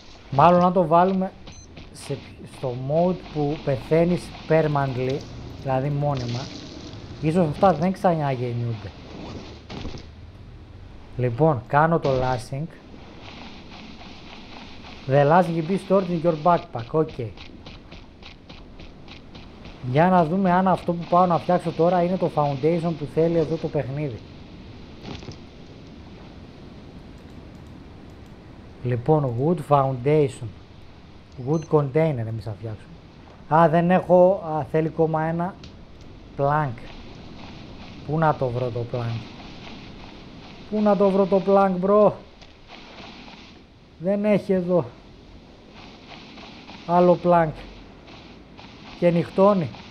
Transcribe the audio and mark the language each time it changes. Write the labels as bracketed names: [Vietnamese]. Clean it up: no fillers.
[Greek] Μάλλον να το βάλουμε στο mode που πεθαίνεις permanently, δηλαδή μόνιμα. Ίσως αυτά δεν ξαναγεννιούνται. Λοιπόν, κάνω το lashing. [English] The lashing be stored in your backpack. [Greek] Οκ. Okay. Για να δούμε αν αυτό που πάω να φτιάξω τώρα είναι το foundation που θέλει εδώ το παιχνίδι. Λοιπόν, wood foundation. Wood container εμείς θα φτιάξουμε. Α, δεν έχω, θέλει ακόμα ένα plank. Πού να το βρω το plank? Πού να το βρω το plank, bro? Δεν έχει εδώ άλλο plank. Και νυχτώνει.